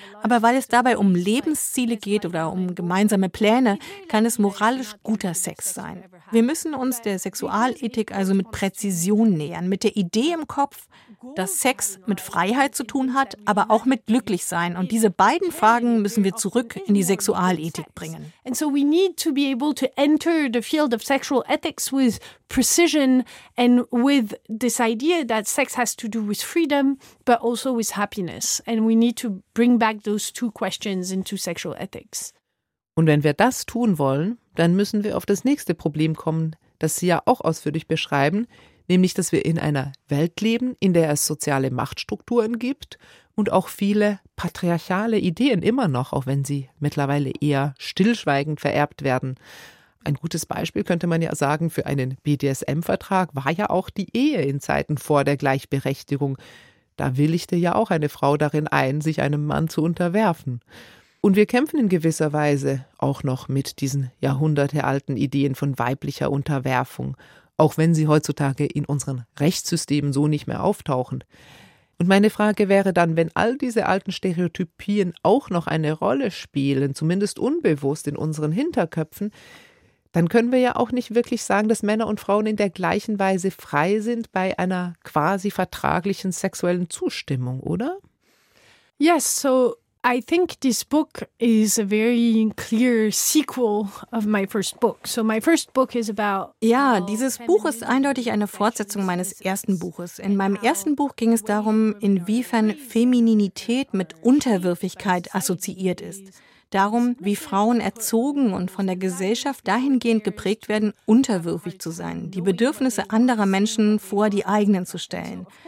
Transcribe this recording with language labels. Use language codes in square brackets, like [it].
[de] Aber weil es dabei um Lebensziele geht oder um gemeinsame Pläne, kann es moralisch guter Sex sein. Wir müssen uns der Sexualethik also mit Präzision nähern, mit der Idee im Kopf, dass Sex mit Freiheit zu tun hat, aber auch mit Glücklichsein. Und diese beiden Fragen müssen wir zurück in die Sexualethik bringen. [en] And so we need to be able to enter the field of sexual ethics with precision and with this idea that sex has to do with freedom, but also with happiness. And we need to bring back those two questions into sexual ethics. [de] Und wenn wir das tun wollen, dann müssen wir auf das nächste Problem kommen, das Sie ja auch ausführlich beschreiben, nämlich, dass wir in einer Welt leben, in der es soziale Machtstrukturen gibt und auch viele patriarchale Ideen immer noch, auch wenn sie mittlerweile eher stillschweigend vererbt werden. Ein gutes Beispiel könnte man ja sagen für einen BDSM-Vertrag war ja auch die Ehe in Zeiten vor der Gleichberechtigung. Da willigte ja auch eine Frau darin ein, sich einem Mann zu unterwerfen. Und wir kämpfen in gewisser Weise auch noch mit diesen jahrhundertealten Ideen von weiblicher Unterwerfung, auch wenn sie heutzutage in unseren Rechtssystemen so nicht mehr auftauchen. Und meine Frage wäre dann, wenn all diese alten Stereotypien auch noch eine Rolle spielen, zumindest unbewusst in unseren Hinterköpfen, dann können wir ja auch nicht wirklich sagen, dass Männer und Frauen in der gleichen Weise frei sind bei einer quasi vertraglichen sexuellen Zustimmung, oder? [en] Yes, so I think this book is a very clear sequel of my first book. So my first book is about. [de] Ja, dieses Buch ist eindeutig eine Fortsetzung meines ersten Buches. In meinem ersten Buch ging es darum, inwiefern Femininität mit Unterwürfigkeit assoziiert ist. Darum, wie Frauen erzogen und von der Gesellschaft dahingehend geprägt werden, unterwürfig zu sein, die Bedürfnisse anderer Menschen vor die eigenen zu stellen.